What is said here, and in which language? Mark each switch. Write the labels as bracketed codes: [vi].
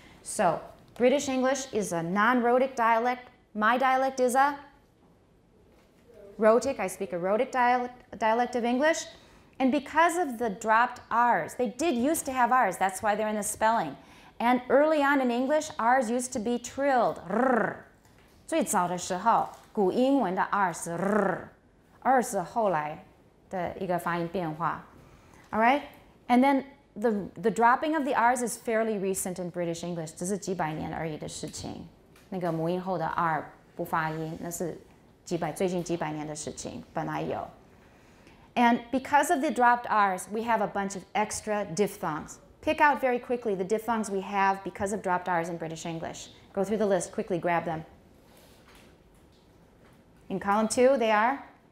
[en] So, British English is a non-rhotic dialect. My dialect is a rhotic. I speak a rhotic dialect of English. And because of the dropped R's, they did used to have R's. That's why they're in the spelling. And early on in English, R's used to be trilled. Rrr. [zh] 最早的时候古英文的 R 是 R， 二是后来的一个发音变化。 [en] All right? And then the dropping of the R's is fairly recent in British English. [zh] 这是几百年而已的事情。那个母音后的 R 不发音，那是最近几百年的事情，本来有。 [en] And because of the dropped R's, we have a bunch of extra diphthongs. Pick out very quickly the diphthongs we have because of dropped R's in British English. Go through the list, quickly grab them. In column two, they are?